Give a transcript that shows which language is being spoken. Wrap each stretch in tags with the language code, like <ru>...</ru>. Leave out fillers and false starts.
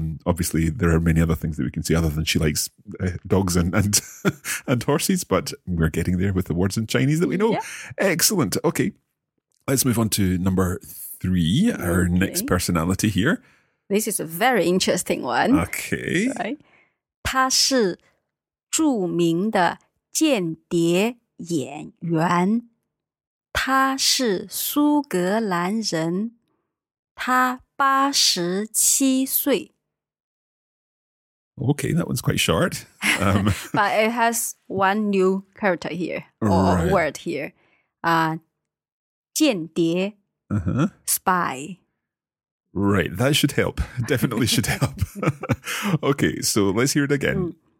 <en>Obviously, there are many other things that we can say other than she likes dogs and and horses, but we're getting there with the words in Chinese that we know. Yep. Excellent. Okay, let's move on to number three, our next personality here. This is a very interesting one. Okay. Right.</en> <zh>他是著名的间谍演员，他他是苏格兰人，他八十七岁。</zh> <en>Okay, that one's quite short. but it has one new character here, or right. word here. 间谍 spy. Right, that should help. Definitely should help. okay, so let's hear it again.</en>